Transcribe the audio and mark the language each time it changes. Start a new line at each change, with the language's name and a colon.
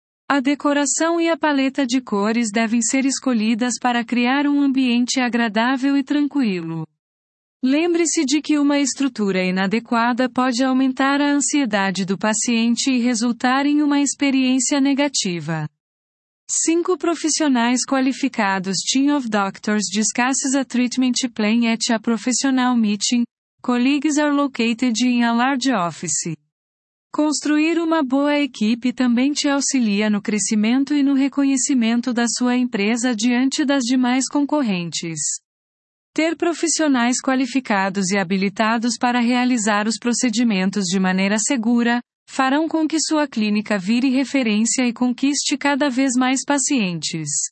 Portuguese: A decoração e a paleta de cores devem ser escolhidas para criar um ambiente agradável e tranquilo. Lembre-se de que uma estrutura inadequada pode aumentar a ansiedade do paciente e resultar em uma experiência negativa. 5. Profissionais qualificados.
English: Team of doctors discusses a treatment plan at a professional meeting. Colleagues are located in a large office.
Portuguese: Construir uma boa equipe também te auxilia no crescimento e no reconhecimento da sua empresa diante das demais concorrentes. Ter profissionais qualificados e habilitados para realizar os procedimentos de maneira segura farão com que sua clínica vire referência e conquiste cada vez mais pacientes.